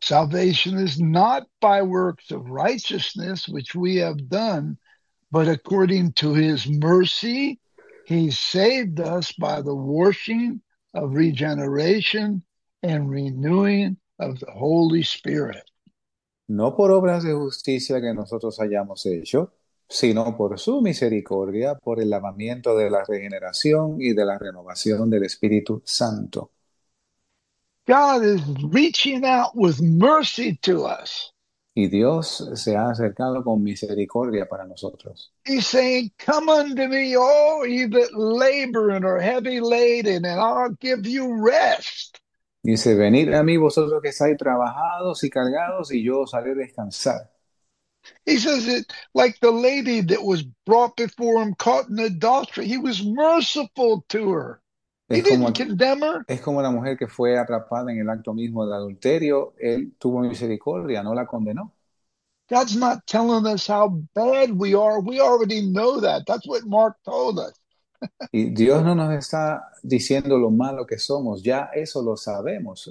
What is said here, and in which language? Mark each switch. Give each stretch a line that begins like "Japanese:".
English: Salvation is not by works of righteousness, which we have done, but according to his mercy, he saved us by the washing of regeneration and renewing of the Holy Spirit.
Spanish: No por obras de justicia que nosotros hayamos hecho, sino por su misericordia, por el lavamiento de la regeneración y de la renovación del Espíritu Santo.
English: God is reaching out with mercy to us.
Spanish: Y Dios se ha acercado con misericordia para nosotros.
English: He's saying, "Come unto me, all ye that labor and are heavy laden, and I'll give you rest."
Spanish: Dice, venid a mí vosotros que estáis trabajados y cargados y yo os haré descansar.
English: He says it like the lady that was brought before him, caught in adultery. He was merciful to her. He
Spanish: Es
English: didn't
Spanish: como
English: condemn her.
Spanish: la mujer que fue atrapada en el acto mismo del adulterio. Él tuvo misericordia, no la condenó.
English: God's not telling us how bad we are. We already know that. That's what Mark told us.
Spanish: Y Dios no nos está diciendo lo malo que somos, ya eso lo sabemos.